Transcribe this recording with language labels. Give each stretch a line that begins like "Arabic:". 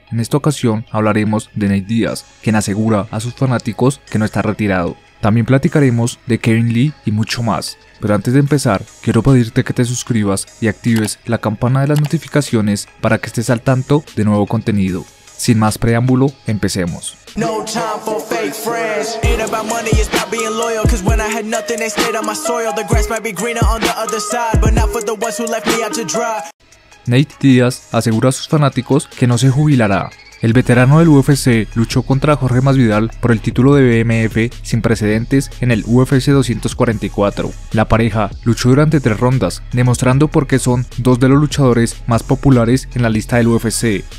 Spanish: En esta ocasión hablaremos de Nate Diaz, quien asegura a sus fanáticos que no está retirado. También platicaremos de Kevin Lee y mucho más. Pero antes de empezar, quiero pedirte que te suscribas y actives la campana de las notificaciones para que estés al tanto de nuevo contenido. Sin más preámbulo, empecemos.
English: No time for fake friends. Ain't about money, it's about being loyal. Cause when I had nothing, they stayed on my soil. The grass might be greener on the other side, but not for the ones who left me out to dry.
Spanish: Nate Diaz asegura a sus fanáticos que no se jubilará. El veterano del UFC luchó contra Jorge Masvidal por el título de BMF sin precedentes en el UFC 244. La pareja luchó durante tres rondas, demostrando por qué son dos de los luchadores más populares en la lista del UFC.